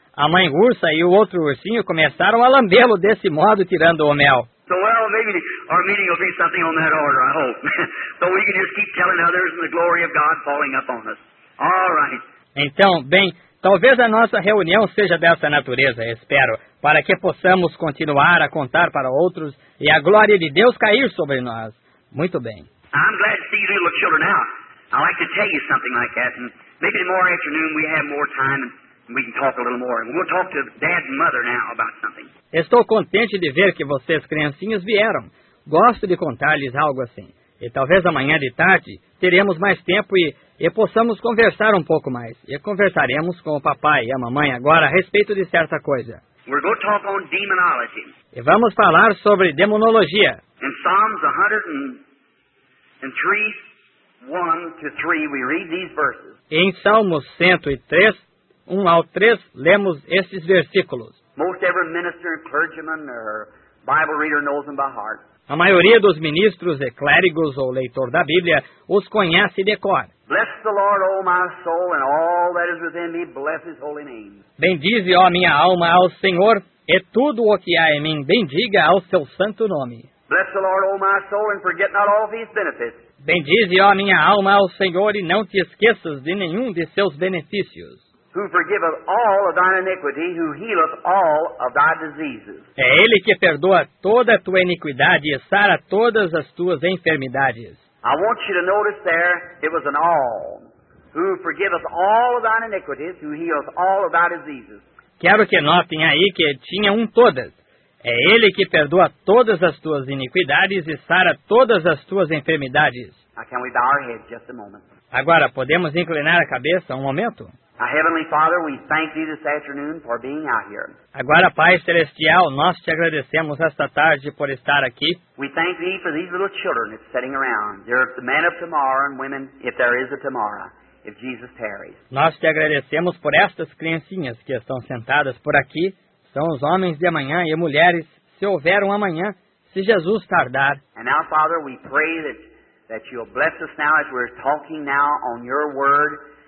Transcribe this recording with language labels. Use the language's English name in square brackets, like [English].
[Portuguese] A mãe ursa e o outro ursinho começaram a lambê-lo desse modo, tirando o mel. [English] So, well, maybe our meeting will be something on that order, I hope. So we can just keep telling others and the glory of God falling upon us. All right. [Portuguese] Então, bem, talvez a nossa reunião seja dessa natureza, espero, para que possamos continuar a contar para outros e a glória de Deus cair sobre nós. Muito bem. [English] I'm glad to see you little children out. I'd like to tell you something like that. And maybe tomorrow afternoon we have more time and we can talk a little more. We'll talk to Dad and Mother now about something. [Portuguese] Estou contente de ver que vocês, criancinhos, vieram. Gosto de contar-lhes algo assim. E talvez amanhã de tarde teremos mais tempo e possamos conversar um pouco mais. E conversaremos com o papai e a mamãe agora a respeito de certa coisa. [English] We're going to talk on demonology. [Portuguese] E vamos falar sobre demonologia. [English] In Psalms 103, 1 to 3, we read these verses. [Portuguese] Em Salmos 103, 1 ao 3, lemos estes versículos. [English] Most every minister, clergyman, or Bible reader knows them by heart. [Portuguese] A maioria dos ministros e clérigos ou leitor da Bíblia os conhece de cor. [English] Bless the Lord, O my soul, and all that is within me, bless His holy name. [Portuguese] Bendize, ó minha alma, ao Senhor, e tudo o que há em mim, bendiga ao Seu santo nome. [English] Bless the Lord, O my soul, and forget not all these benefits. [Portuguese] Bendize, ó minha alma, ao Senhor, e não te esqueças de nenhum de Seus benefícios. [English] Who forgiveth all of thine iniquity, who healeth all of thy diseases. [Portuguese] É Ele que perdoa toda a tua iniquidade e sara todas as tuas enfermidades. [English] I want you to notice there, it was an all. Who forgiveth all of thine iniquities, who healeth all of thy diseases. [Portuguese] Quero que notem aí que tinha todas. É Ele que perdoa todas as tuas iniquidades e sara todas as tuas enfermidades. [English] Now, can we bow our heads just a moment? [Portuguese] Agora, podemos inclinar a cabeça momento? [English] Our Heavenly Father, we thank Thee this afternoon for being out here. [Portuguese] Agora, Pai Celestial, nós Te agradecemos esta tarde por estar aqui. [English] We thank Thee for these little children that's sitting around. They're the men of tomorrow and women, if there is a tomorrow, if Jesus tarries. [Portuguese] Nós Te agradecemos por estas criancinhas que estão sentadas por aqui. São os homens de amanhã e mulheres, se houver um amanhã, se Jesus tardar. [English] And now, Father, we pray that You'll bless us now as we're talking now on Your Word.